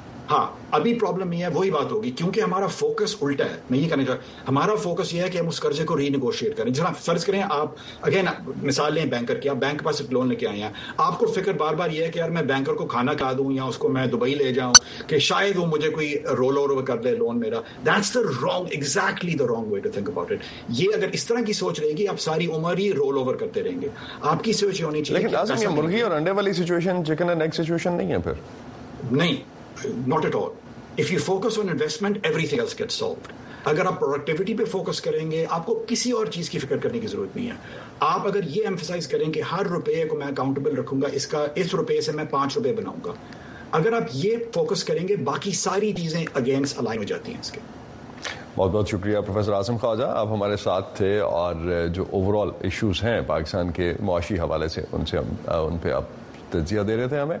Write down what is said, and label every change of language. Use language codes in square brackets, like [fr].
[ur] ہاں ابھی پرابلم یہ ہے, وہی بات ہوگی کیونکہ ہمارا فوکس الٹا ہے. میں یہ کہنا چاہ رہا ہوں, ہمارا فوکس یہ ہے کہ ہم اس قرضے کو رینیگوشیٹ کریں. جس طرح فرض کریں آپ, اگین مثال لیں بینکر کی, آپ بینک پاس لون لے کے آئے ہیں, آپ کو فکر بار بار یہ ہے کہ یار میں بینکر کو کھانا کھا دوں یا اس کو میں دبئی لے جاؤں کہ شاید وہ مجھے کوئی رول اوور کر دے لون میرا. [en] That's the wrong, exactly the wrong way to think about it. [ur] یہ اگر اس طرح کی سوچ رہے گی آپ ساری عمر ہی رول اوور کرتے رہیں گے. آپ کی سوچ یہ ہونی چاہیے, مرغی اور انڈے والی situation, [en] chicken and egg situation [ur] نہیں ہے پھر. نہیں, [en] not at all. If you focus on investment, everything else gets solved. [ur] اگر آپ پروڈکٹیوٹی پہ فوکس کریں گے, آپ کو کسی اور چیز کی فکر کرنے کی ضرورت نہیں ہے. آپ اگر یہ ایمفسائز کریں کہ ہر روپے کو میں اکاؤنٹیبل رکھوں گا, اس کا اس روپے سے میں پانچ روپے بناؤں گا, اگر آپ یہ فوکس کریں گے باقی ساری چیزیں اگینسٹ الائن ہو جاتی ہیں اس کے. بہت بہت شکریہ پروفیسر عاصم خواجہ, آپ ہمارے ساتھ تھے اور جو اوور آل ایشوز ہیں پاکستان کے معاشی حوالے سے ان سے ان پہ آپ تجزیہ دے رہے تھے ہمیں.